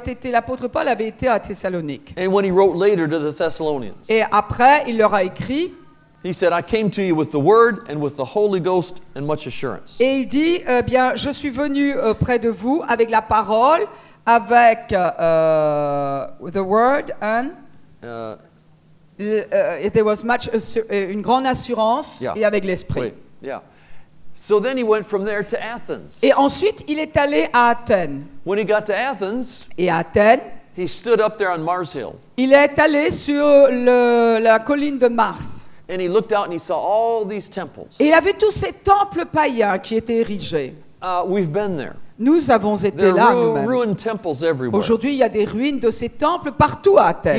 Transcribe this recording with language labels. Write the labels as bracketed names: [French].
[French] L'apôtre Paul avait été à Thessalonique. [English] And when he wrote later to the Thessalonians. [French] Et après, il leur a écrit. [English] He said, I came to you with the word and with the Holy Ghost and much assurance. [French] Et il dit, bien, je suis venu près de vous avec la parole, avec [English] the word and there was much [French] une grande assurance, [English] yeah, [French] et avec l'esprit. [English] Right. Yeah. So then he went from there to Athens. [French] Et ensuite, il est allé à Athènes. [English] When he got to Athens, [French] et à Athènes, [English] he stood up there on Mars Hill. [French] Il est allé sur la colline de Mars. [English] And he looked out and he saw all these temples. [French] Et il a vu tous ces temples païens qui étaient érigés. [English] We've been there. [French] Nous avons été [English] there [French] là nous-mêmes. Aujourd'hui, il y a des ruines de ces temples partout à Athènes.